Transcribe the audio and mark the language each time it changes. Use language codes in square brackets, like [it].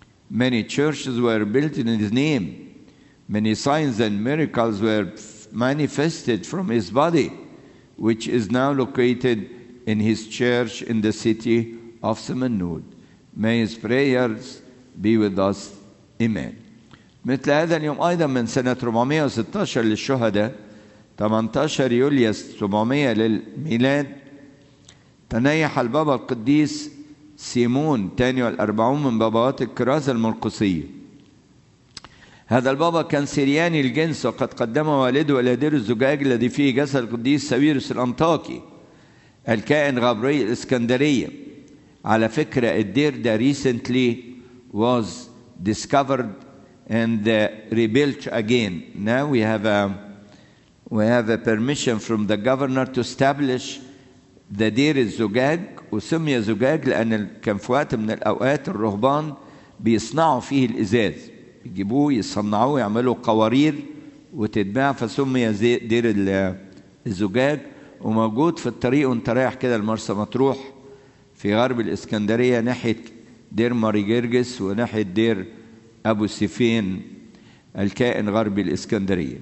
[en] Many churches were built in his name. Many signs and miracles were manifested from his body, which is now located in his church in the city of Samanud. May his prayers be with us. Amen. [ar] مثل هذا اليوم أيضا من سنة 416 للشهداء 18 يوليو 700 للميلاد تنيح البابا القديس سيمون 42 من بابات الكرازة المرقسية. هذا البابا كان سرياني الجنس وقد قدم والده إلى دير الزجاج الذي فيه جسد القديس ساويروس الأنطاكي الكائن غبري الإسكندرية. على فكرة الدير ده [en] recently was discovered and rebuilt again. Now we have a permission from the governor to establish the دير الزجاج. [ar] وسمي زجاج لأن كان في وقت من الأوقات الرهبان بيصنعوا فيه الإزاز، يجيبوه يصنعوه يعملوا قوارير وتتباع، فسمي دير الزجاج. وموجود في الطريق وانت رايح كده المرسى مطروح في غرب الإسكندرية ناحية دير ماري جرجس وناحية دير أبو سيفين الكائن غربي الإسكندرية.